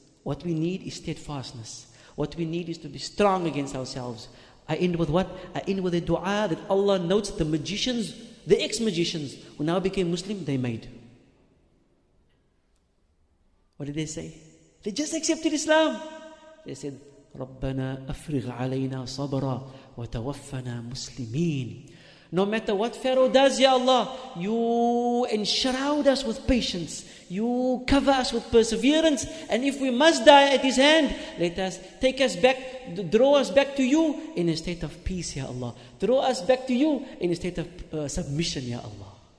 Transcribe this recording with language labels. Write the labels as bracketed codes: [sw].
[en] What we need is steadfastness. What we need is to be strong against ourselves. I end with what? I end with a dua that Allah notes the magicians, the ex-magicians who now became Muslim, they made. What did they say? They just accepted Islam. They said, [ar] رَبَّنَا أَفْرِغْ عَلَيْنَا صَبْرًا وَتَوَفَّنَا مُسْلِمِينَ. [en] No matter what Pharaoh does, Ya Allah, you enshroud us with patience. You cover us with perseverance. And if we must die at his hand, let us take us back, draw us back to you in a state of peace, Ya Allah. Draw us back to you in a state of submission, Ya Allah.